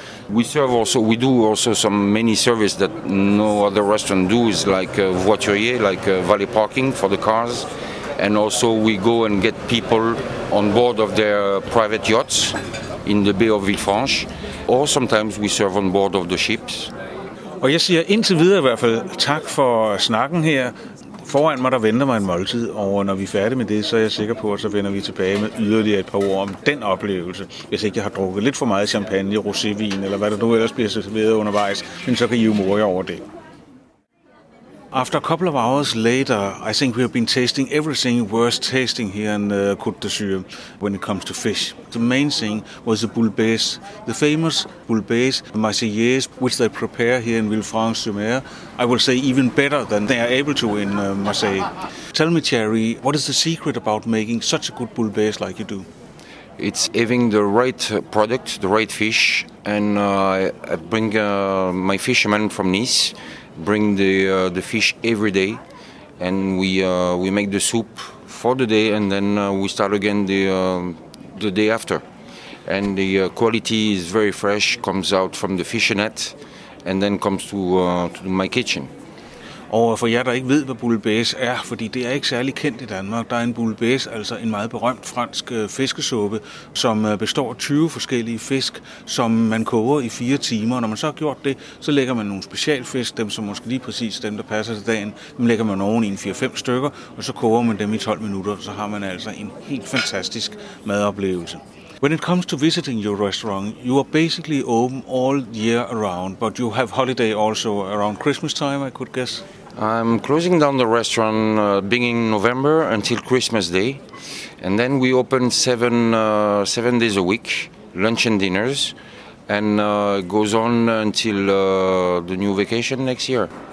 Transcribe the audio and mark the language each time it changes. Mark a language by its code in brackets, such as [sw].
[en] We serve also, we do also some many service that no other restaurant do, is like voiturier, like valet parking for the cars. And also we go and get people on board of their private yachts in the Bay of Villefranche. Or sometimes we serve on board of the ships. [da] Og jeg siger indtil videre i hvert fald tak for snakken her. Foran mig, der venter mig en måltid, og når vi er færdige med det, så er jeg sikker på, at så vender vi tilbage med yderligere et par ord om den oplevelse. Hvis ikke jeg har drukket lidt for meget champagne, rosévin eller hvad der nu ellers bliver serveret undervejs, men så kan I jo more jer over det. [en] After a couple of hours later, I think we have been tasting everything worth tasting here in Côte d'Azur when it comes to fish. The main thing was the bouillabaisse, the famous bouillabaisse, the Marseillaise, which they prepare here in Villefranche-sur-Mer. I will say even better than they are able to in Marseille. Tell me, Thierry, what is the secret about making such a good bouillabaisse like you do? It's having the right product, the right fish, and I bring my fisherman from Nice, bring the fish every day, and we make the soup for the day, and then we start again the day after. And the quality is very fresh, comes out from the fishing net, and then comes to my kitchen. [da] Og for jer, der ikke ved, hvad bouillabaisse er, fordi det er ikke særlig kendt i Danmark, der er en bouillabaisse, altså en meget berømt fransk fiskesuppe, som består af 20 forskellige fisk, som man koger i 4 timer. Når man så har gjort det, så lægger man nogle specialfisk, dem som måske lige præcis dem, der passer til dagen, dem lægger man oven i 4-5 stykker, og så koger man dem i 12 minutter, så har man altså en helt fantastisk madoplevelse. [en] When it comes to visiting your restaurant, you are basically open all year around, but you have holiday also around Christmas time, I could guess. I'm closing down the restaurant beginning November until Christmas Day, and then we open seven days a week, lunch and dinners, and goes on until the new vacation next year.